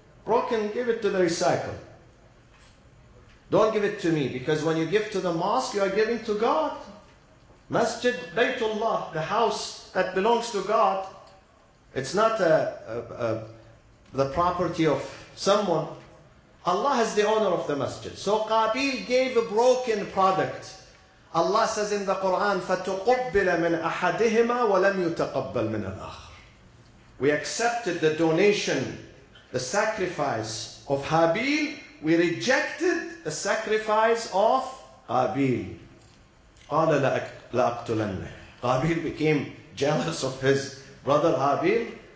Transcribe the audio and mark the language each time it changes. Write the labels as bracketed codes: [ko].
[en] Broken, give it to the recycle. Don't give it to me, because when you give to the mosque, you are giving to God. Masjid, Baytullah, the house that belongs to God. It's not the property of someone. Allah is the owner of the masjid. So Qabil gave a broken product. Allah says in the Quran, [ar] فَتُقُبِّلَ مِنْ أَحَدِهِمَا وَلَمْ يُتَقَبَّلْ مِنَ الْآخِرِ. [en] We accepted the donation, the sacrifice of Habil. We rejected the sacrifice of Qabil. [ar] قَالَ لَأَقْتُلَنَّهِ. [en] Qabil became jealous of his brother Habil.